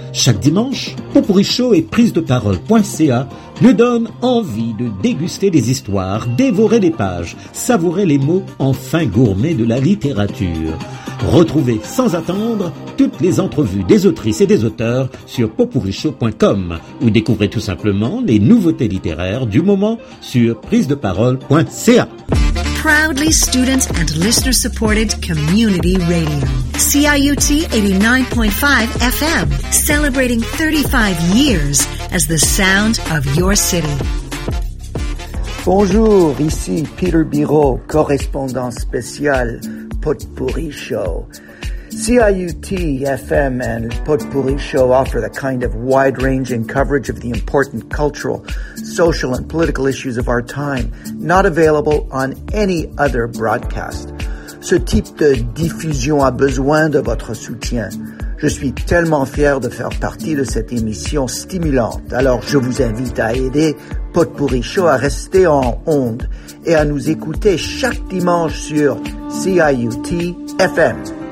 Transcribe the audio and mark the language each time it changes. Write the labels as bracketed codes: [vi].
[fr] Chaque dimanche, Popourri Show et priseparole.ca nous donnent envie de déguster des histoires, dévorer des pages, savourer les mots enfin gourmets de la littérature. Retrouvez sans attendre toutes les entrevues des autrices et des auteurs sur popourrichaud.com ou découvrez tout simplement les nouveautés littéraires du moment sur prisedeparole.ca. [en] Proudly student and listener-supported community radio. CIUT 89.5 FM, celebrating 35 years as the sound of your city. [fr] Bonjour, ici Peter Biraud, correspondant spécial Potpourri Show. [en] CIUT FM and Potpourri Show offer the kind of wide-ranging coverage of the important cultural, social, and political issues of our time, not available on any other broadcast. [fr] Ce type de diffusion a besoin de votre soutien. Je suis tellement fier de faire partie de cette émission stimulante. Alors, je vous invite à aider Potpourri Show à rester en onde et à nous écouter chaque dimanche sur CIUT FM.